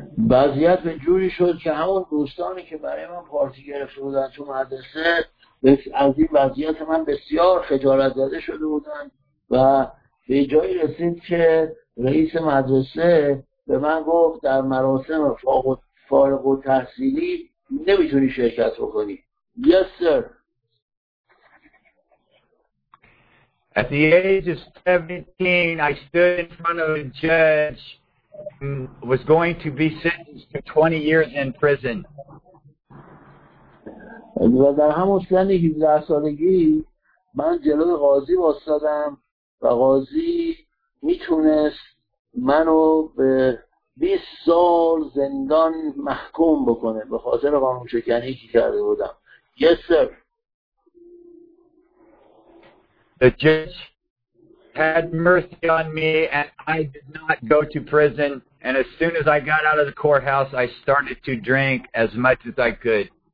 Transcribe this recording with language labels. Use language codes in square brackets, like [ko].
[fa] وضعیت به جوری شد که همون دوستانی که برای من پارتی گرفته بودن تو مدرسه از این وضعیت من بسیار خجالت زده شده بودن، و به جایی رسید که رئیس مدرسه به من گفت در مراسم فارغ التحصیلی نمیتونی شرکت بکنی. [en] Yes sir. At the age of 17, I stood in front of a judge and was going to be sentenced to 20 years in prison. [fa] و در همون سن 17 سالگی من جلوی قاضی واستادم و قاضی میتونست منو به 20 سال زندان محکوم بکنه به خاطر قانون شکنی که کرده بودم. [en] Yes sir. The judge had mercy on me and I did not go to prison. And as soon as I got out of the courthouse, I started to drink as much as I could.